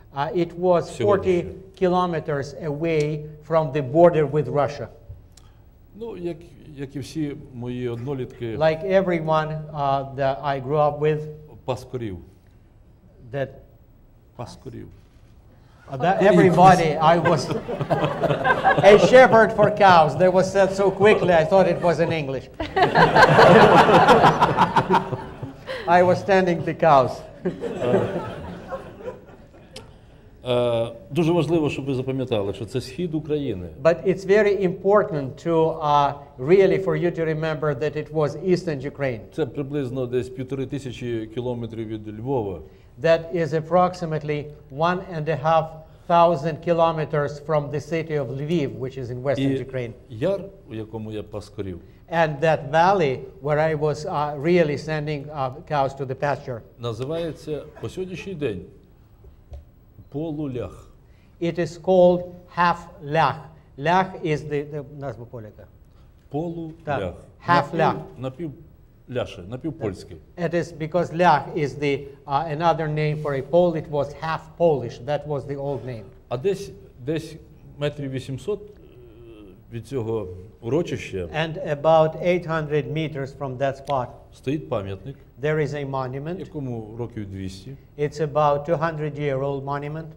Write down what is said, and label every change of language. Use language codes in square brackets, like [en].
[en] It was 40 kilometers away from the border with Russia. [uk] Ну, як і всі мої однолітки, [en] like everyone that I grew up with, [uk] паскорів. [en] That [uk] паскорів. [en] That everybody, I was a shepherd for cows. That was said so quickly, I thought it was in English. I was standing the cows. [uk] Дуже важливо, щоб ви запам'ятали, що це схід України. [en] But it's very important to really for you to remember that it was eastern Ukraine. [uk] Це приблизно десь 1500 кілометрів від Львова. [en] That is approximately 1,500 kilometers from the city of Lviv, which is in western Ukraine. [uk] І яр, у якому я паскорів. [en] And that valley where I was really sending cows to the pasture. [uk] Називається по сьогоднішній день полулях. [en] It is called half лях. Лях is the [uk] назва поляка. Полулях. [en] Half лях. [uk] Напівляше, напівпольське. [en] It is because лях is the another name for a pole. It was half Polish. That was the old name. [uk] А десь метрів 800 від цього урочища. [en] And about 800 meters from that spot. [uk] Стоїть пам'ятник. [en] There is a monument. [uk] Якому років 200. [en] It's about 200 year old monument.